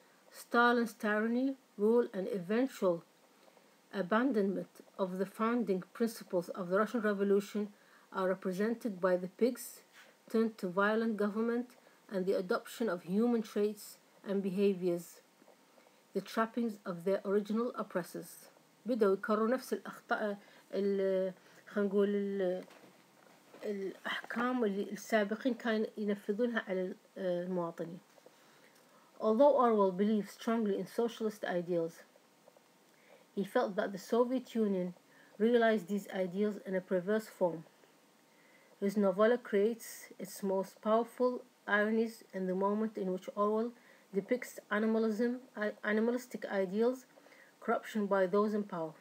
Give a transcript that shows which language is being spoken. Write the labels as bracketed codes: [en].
[en] Stalin's tyranny, rule, and eventual abandonment of the founding principles of the Russian Revolution are represented by the pigs turned to violent government and the adoption of human traits and behaviors, the trappings of their original oppressors. [ar] بدأوا يكرروا نفس الأخطاء خلينا نقول الأحكام اللي السابقين كان ينفذونها على المواطنين. [en] Although Orwell believed strongly in socialist ideals, he felt that the Soviet Union realized these ideals in a perverse form. His novella creates its most powerful ironies in the moment in which Orwell depicts animalism, animalistic ideals, corruption by those in power.